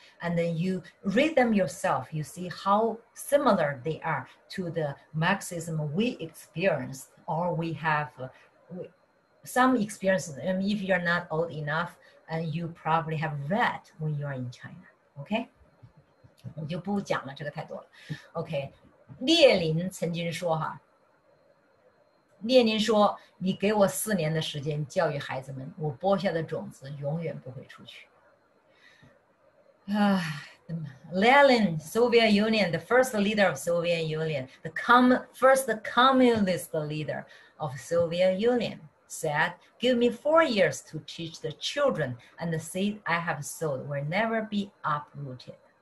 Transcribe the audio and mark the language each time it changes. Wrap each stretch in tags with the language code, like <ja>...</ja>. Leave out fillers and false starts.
<en>And then you read them yourself, you see how similar they are to the Marxism we experienced. Or we have some experiences. I mean, if you're not old enough, and you probably have read when you're in China.</en> <zh>Okay, 我就不讲了，这个太多了。 Okay, 列宁曾经说哈，列宁说，你给我四年的时间教育孩子们，我播下的种子永远不会出去。</zh> <en>Lenin, Soviet Union, the first leader of Soviet Union, the first communist leader of Soviet Union, said, give me 4 years to teach the children, and the seed I have sowed will never be uprooted.</en>